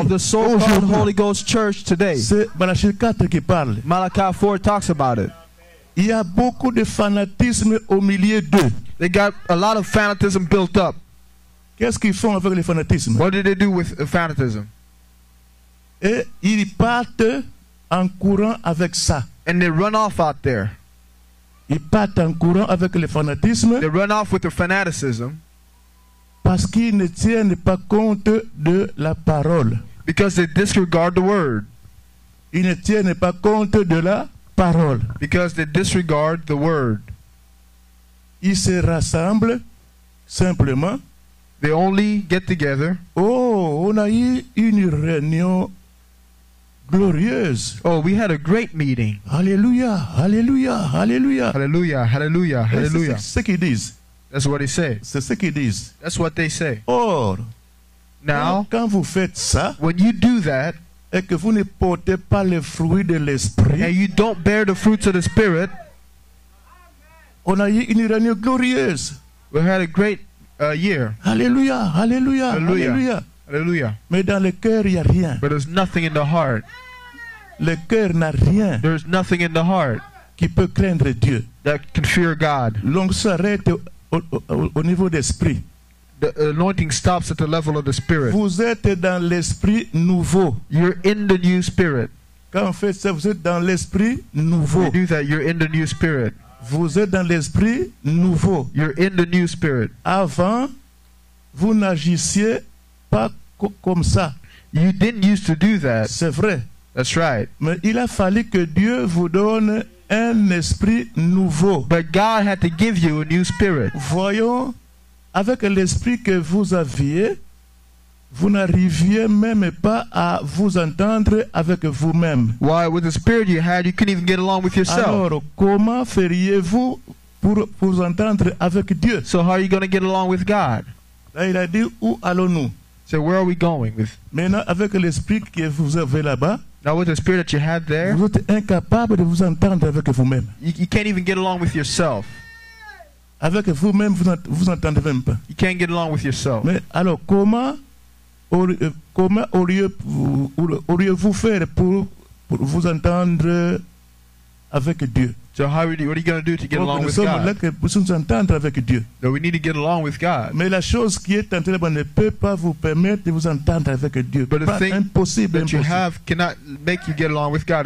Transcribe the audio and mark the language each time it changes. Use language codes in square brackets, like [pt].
[en] Of the so-called Holy Ghost Church today. [fr] C'est Malachi 4 qui parle. [en] Malachi 4 talks about it. [fr] Il y a beaucoup de fanatisme au milieu d'eux. [en] They got a lot of fanatism built up. [fr] Qu'est-ce qu'ils font avec le fanatisme? [en] What do they do with fanatism? [fr] Et ils partent en courant avec ça. [en] And they run off out there. [fr] Ils partent en courant avec le fanatisme. [en] They run off with the fanaticism. [fr] Parce qu'ils ne tiennent pas compte de la parole. [en] Because they disregard the word. [fr] Ils ne tiennent pas compte de la parole. [en] Because they disregard the word. [fr] Ils se rassemblent simplement. [en] They only get together. [fr] Oh, on a eu une réunion glorieuse. [en] Oh, we had a great meeting. [fr] Hallelujah, hallelujah, hallelujah. [en] Hallelujah, hallelujah, hallelujah. [fr] C'est ce qu'ils disent. [en] That's what they say. [fr] C'est ce qu'ils disent. [en] That's what they say. [fr] Or, [en] now, [fr] quand vous faites ça, [en] when you do that, [fr] et que vous ne portez pas les fruits de l'esprit, [en] and you don't bear the fruits of the Spirit, [fr] On a eu une année glorieuse. [en] We had a great year. [fr] Hallelujah, hallelujah, hallelujah, [en] hallelujah. [fr] Mais dans le cœur, il y a rien. [en] But there's nothing in the heart. [fr] Le cœur n'a rien. [en] There's nothing in the heart [fr] qui peut craindre Dieu. [en] That can fear God. [fr] L'onction s'arrête au niveau d'esprit. [en] The anointing stops at the level of the spirit. [fr] Vous êtes dans l'esprit nouveau. [en] You're in the new spirit. [fr] Quand vous faites ça, vous êtes dans l'esprit nouveau. [en] When you do that, you're in the new spirit. [fr] Vous êtes dans l'esprit nouveau. [en] You're in the new spirit. [fr] Avant, vous n'agissiez pas comme ça. [en] You didn't used to do that. [fr] C'est vrai. [en] That's right. [fr] Mais il a fallu que Dieu vous donne un esprit nouveau. [en] But God had to give you a new spirit. [fr] Voyons, avec l'esprit que vous aviez, vous n'arriviez même pas à vous entendre avec vous-même. [en] Why, with the spirit you had, you couldn't even get along with yourself. [fr] Alors, comment feriez-vous pour vous entendre avec Dieu? [en] So how are you going to get along with God? [fr] Là, il a dit, où allons-nous? [en] So where are we going with? [fr] Maintenant, avec l'esprit que vous avez là-bas, [en] now with the spirit that you had there, [fr] vous êtes incapable de vous entendre avec vous-même. [en] You can't even get along with yourself. [fr] Avec vous-même, vous entendez même pas. [en] You can't get along with yourself. [fr] Mais alors, comment auriez-vous faire pour vous entendre avec Dieu? [en] So what are you going to do to get along with God? [fr] Nous sommes entendre avec Dieu. [en] No, we need to get along with God. [fr] Mais la chose qui est entendue ne peut pas vous permettre de vous entendre avec Dieu. [en] But the thing [fr] impossible [en] that you have cannot make you get along with God.